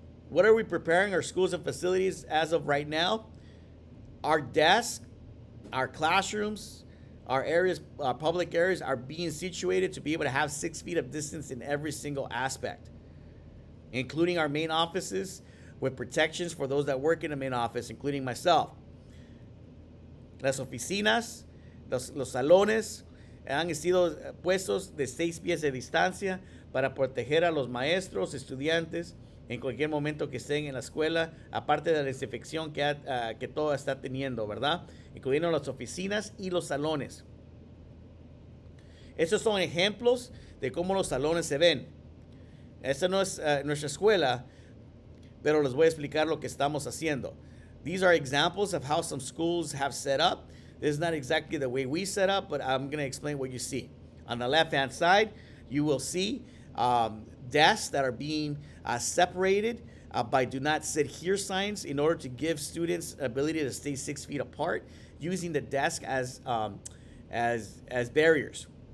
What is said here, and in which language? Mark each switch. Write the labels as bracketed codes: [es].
[en] What are we preparing our schools and facilities as of right now? Our desks, our classrooms, our areas, our public areas are being situated to be able to have 6 feet of distance in every single aspect, including our main offices with protections for those that work in the main office, including myself. [es] Las oficinas, los salones, han sido puestos de 6 pies de distancia para proteger a los maestros, estudiantes, en cualquier momento que estén en la escuela, aparte de la desinfección que todo está teniendo, ¿verdad? Incluyendo las oficinas y los salones. Esos son ejemplos de cómo los salones se ven. Esta no es nuestra escuela, pero les voy a explicar lo que estamos haciendo. [en] These are examples of how some schools have set up. This is not exactly the way we set up, but I'm going to explain what you see. On the left-hand side, you will see desks that are being separated by do not sit here signs in order to give students ability to stay 6 feet apart, using the desk as barriers.